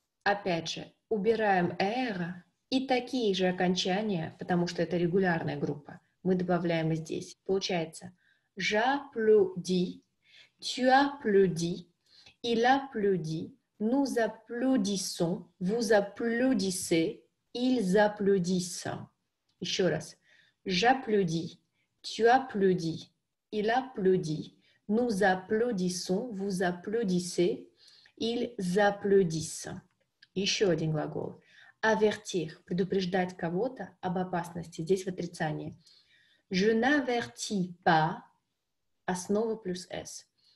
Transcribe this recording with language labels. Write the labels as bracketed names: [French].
[Russian] Опять же, убираем «r» и такие же окончания, потому что это регулярная группа, мы добавляем и здесь. Получается [French] «j'applaudis», «tu applaudis», «il applaudit», «nous applaudissons», «vous applaudissez», «ils applaudissent». [Russian] Еще раз. [French] «J'applaudis», «tu applaudis», «il applaudit», «nous applaudissons», «vous applaudissez», «ils applaudissent». [Russian] Еще один глагол. «Avertir» – предупреждать кого-то об опасности. Здесь в отрицании. [French] «Je n'avertis pas» [Russian] – основа плюс «s».